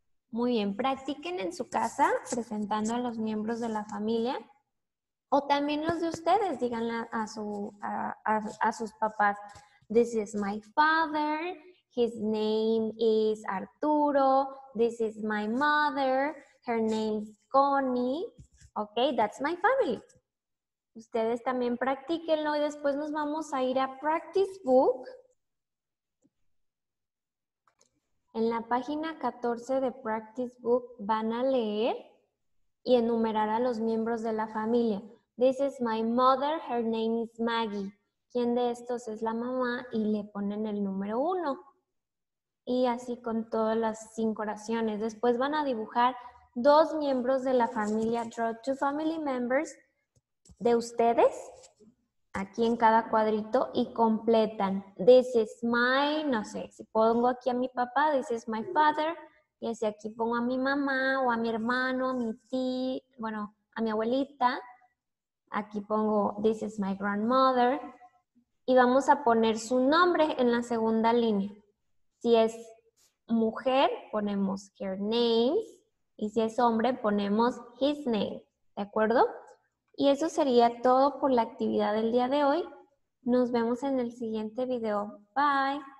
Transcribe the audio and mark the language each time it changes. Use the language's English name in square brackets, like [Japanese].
[Spanish] Muy bien, practiquen en su casa presentando a los miembros de la familia. O también los de ustedes, díganle a sus papás. [English] This is my father, his name is Arturo, this is my mother, her name is Connie. Ok, that's my family. [Spanish] Ustedes también practíquenlo y después nos vamos a ir a Practice Book. En la página 14 de Practice Book van a leer y enumerar a los miembros de la familia. [English] This is my mother, her name is Maggie. [Spanish] ¿Quién de estos es la mamá? Y le ponen el número 1. Y así con todas las 5 oraciones. Después van a dibujar 2 miembros de la familia. [English] Draw 2 family members [Spanish] de ustedes. Aquí en cada cuadrito y completan. [English] This is my, [Spanish] no sé, si pongo aquí a mi papá, [English] this is my father. [Spanish] Y si aquí pongo a mi mamá o a mi hermano, a mi tía, bueno, a mi abuelita. Aquí pongo, [English] this is my grandmother. [Spanish] Y vamos a poner su nombre en la segunda línea. Si es mujer, ponemos [English] her name. [Spanish] Y si es hombre, ponemos [English] his name. [Spanish] ¿De acuerdo? Y eso sería todo por la actividad del día de hoy. Nos vemos en el siguiente video. Bye.